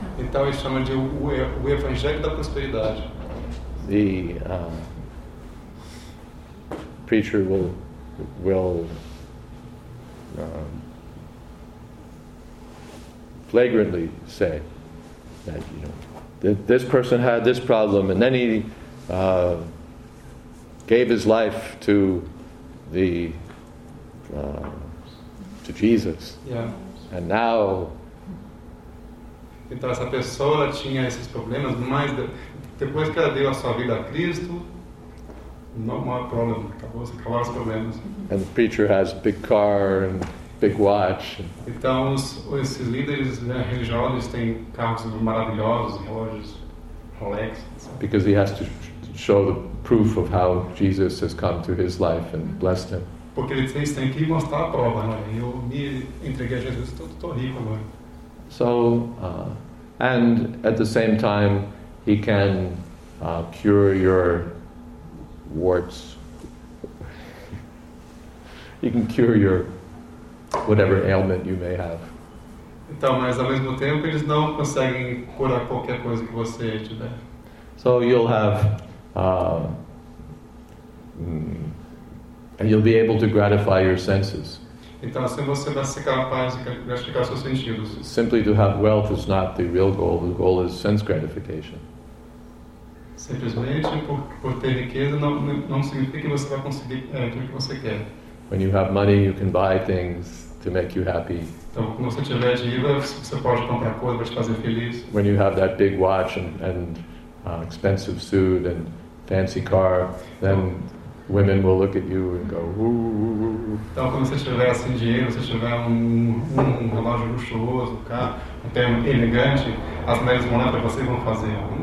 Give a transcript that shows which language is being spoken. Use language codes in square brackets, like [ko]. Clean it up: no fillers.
[pt] Então eles chamam de o evangelho da prosperidade. [en] The preacher will flagrantly say that, you know, that this person had this problem, and then he gave his life to the to Jesus. Yeah. And now. [pt] Então essa pessoa tinha esses problemas, mas depois que ela deu a sua vida a Cristo, [en] no more problem, [pt] acabou os problemas. [en] And the preacher has big car and big watch. [pt] Então esses líderes religiosos têm carros maravilhosos, relógios, Rolex. [en] Because he has to show the proof of how Jesus has come to his life and blessed him. [pt] Porque eles têm que mostrar a prova, né? Eu me entreguei a Jesus, estou rico agora. [en] So, and at the same time, he can cure your warts. He can cure your whatever ailment you may have. [pt] Então, mas ao mesmo tempo, eles não conseguem curar qualquer coisa que você tiver. [en] So you'll have, and you'll be able to gratify your senses. [pt] Então, assim você vai ser capaz de gratificar seus sentidos. [en] Simply to have wealth is not the real goal. The goal is sense gratification. [pt] Simplesmente por ter riqueza não significa que você vai conseguir aquilo que você quer. [en] When you have money, you can buy things to make you happy. [pt] Então, quando você tiver dinheiro, você pode comprar coisas para te fazer feliz. [en] When you have that big watch and expensive suit and fancy car, then women will look at you and go, ooh. [pt] Então, quando você tiver assim dinheiro, você tiver um relógio luxuoso, um carro, um terno elegante, as mulheres vão olhar para você e vão fazer.